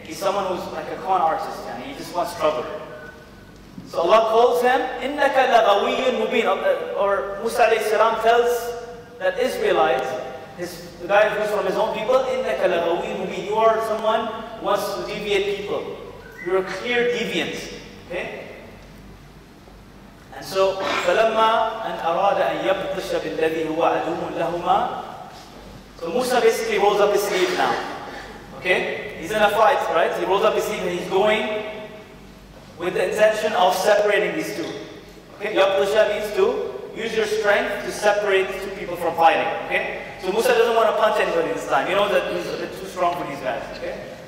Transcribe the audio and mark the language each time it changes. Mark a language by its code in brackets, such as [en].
[en] He's someone who's like a con artist, and he just wants trouble. So Allah calls him, [ar] إِنَّكَ لَغَوِيٌّ مُبِينٌ. [en] Or Musa alayhi salam tells that Israelite, the guy who's from his own people, [ar] إِنَّكَ لَغَوِيٌّ مُبِينٌ. [en] You are someone who wants to deviate people. You're a clear deviant. Okay? And so, [ar] فَلَمَّا أَنْ أَرَادَ أَنْ يَبْطِشَ بِالَّذِي هُوَ عَدُومٌ لَهُمَا. [en] So Musa basically rolls up his sleeve now. Okay? He's in a fight, right? He rolls up his sleeve and he's going with the intention of separating these two. Okay? يَبْطِشَ means to use your strength to separate two people from fighting. Okay? So Musa doesn't want to punch anybody this time. You know that he's a bit too strong for these guys. Okay?